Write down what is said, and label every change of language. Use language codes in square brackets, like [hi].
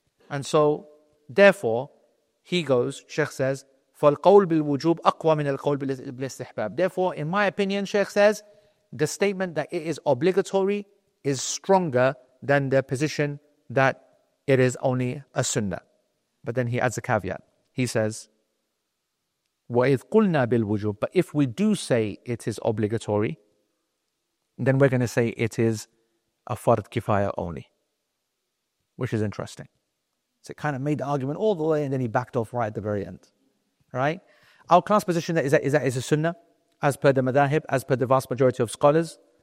[en] And so, therefore, he goes, Sheikh says, [ar] فَالْقَوْلْ بِالْوُجُوبِ أَقْوَى مِنَ الْقَوْلْ بِالْإِسْتِحْبَابِ. [en] Therefore, in my opinion, Sheikh says, the statement that it is obligatory is stronger than the position that it is only a sunnah. But then he adds a caveat. He says, [ar] وَإِذْ قُلْنَا بِالْوُجُوبِ. [en] But if we do say it is obligatory, then we're going to say it is a fard kifaya only, which is interesting. So it kind of made the argument all the way and then he backed off right at the very end. Right? Our class position is that it's a sunnah as per the madahib, as per the vast majority of scholars.